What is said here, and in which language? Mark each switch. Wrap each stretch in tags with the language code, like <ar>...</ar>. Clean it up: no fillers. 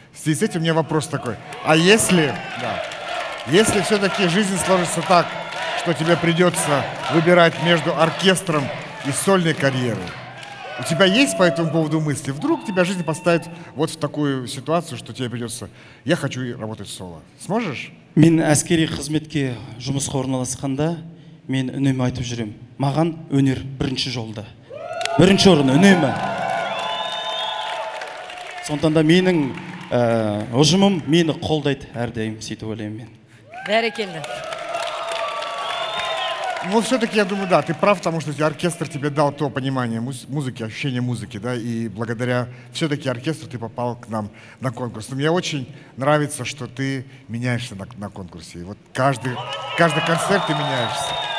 <ru>В связи с этим у меня вопрос такой, а если, да, если все-таки жизнь сложится так, что тебе придется выбирать между оркестром и сольной карьерой, у тебя есть по этому поводу мысли? Вдруг тебя жизнь поставит вот в такую ситуацию, что тебе придется, я хочу работать соло. Сможешь?</ru> <kk>Мен әскери қызметке жұмысқа орналасқанда, мен үнемі айтып жүрем. Маған өнер бірінші жолды. Бірінші орын үнемі. Сондықтан да менің ұжымым мені қолдайды әрдайым, сөйтіп ойлаймын мен. Бәрекелді.</kk> <ru>Ну, все-таки, я думаю, да, ты прав, потому что оркестр тебе дал то понимание музыки, ощущение музыки, да, и благодаря все-таки оркестру ты попал к нам на конкурс. Но мне очень нравится, что ты меняешься на конкурсе, и вот каждый концерт ты меняешься.</ru>